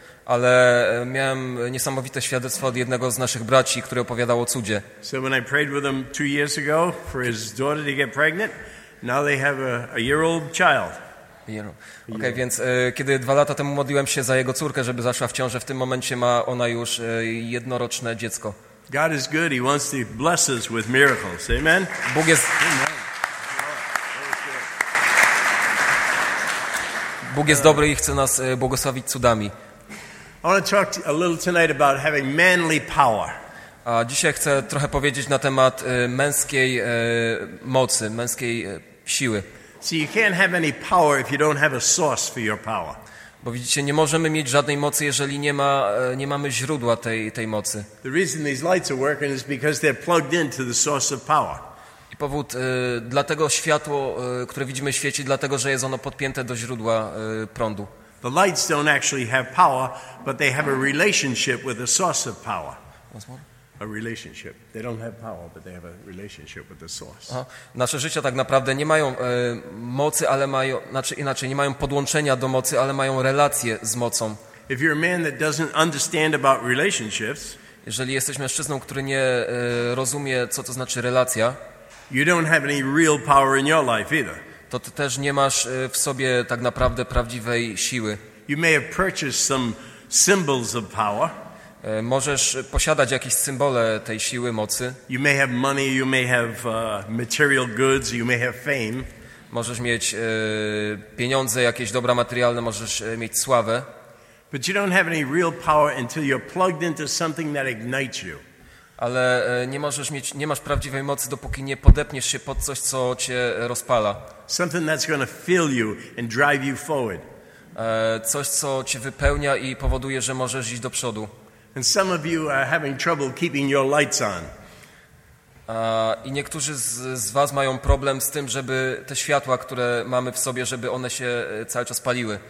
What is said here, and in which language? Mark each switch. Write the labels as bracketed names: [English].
[Polish] Ale miałem niesamowite świadectwo od jednego z naszych braci, który opowiadał o cudzie. [English] So when I prayed with him 2 years ago for his daughter to get pregnant, now they have a year old child. [Polish] Okay, więc kiedy 2 lata temu modliłem się za jego córkę, żeby zaszła w ciążę, w tym momencie ma ona już jednoroczne dziecko. [English] God is good. He wants to bless us with miracles. Amen. [Polish] Bóg jest. Bóg jest dobry i chce nas błogosławić cudami. [English] I want to talk a little tonight about having manly power. [Polish] A dzisiaj chcę trochę powiedzieć na temat męskiej mocy, męskiej siły. [English] See, you can't have any power if you don't have a source for your power. [Polish] Bo widzicie, nie możemy mieć żadnej mocy, jeżeli nie mamy źródła tej mocy. [English] The reason these lights are working is because they're plugged into the source of power. [Polish] I powód dlatego światło, które widzimy, świeci, dlatego że jest ono podpięte do źródła prądu. [English] The lights don't actually have power, but they have a relationship with the source of power. What's more? A relationship. They don't have power, but they have a relationship with the source. [Polish] Nasze życia tak naprawdę nie mają mocy, ale mają, znaczy inaczej, nie mają podłączenia do mocy, ale mają relację z mocą. [English] If you're a man that doesn't understand about relationships, [Polish] jeżeli jesteś mężczyzną, który nie rozumie, co to znaczy relacja, [English] you don't have any real power in your life either. [Polish] To ty też nie masz w sobie tak naprawdę prawdziwej siły. [English] You may have purchased some symbols of power. [Polish] Możesz posiadać jakieś symbole tej siły, mocy. [English] You may have money, you may have material goods, you may have fame. [Polish] Możesz mieć pieniądze, jakieś dobra materialne, możesz mieć sławę. [English] But you don't have any real power until you're plugged into something that ignites you. [Polish] Ale nie masz prawdziwej mocy, dopóki nie podepniesz się pod coś, co cię rozpala. [English] Something that's going to fill you and drive you forward. [Polish] Coś, co cię wypełnia i powoduje, że możesz iść do przodu. [English] And some of you are having trouble keeping your lights on. [Polish] I niektórzy z was mają problem z tym, żeby te światła, które mamy w sobie, żeby one się cały czas paliły.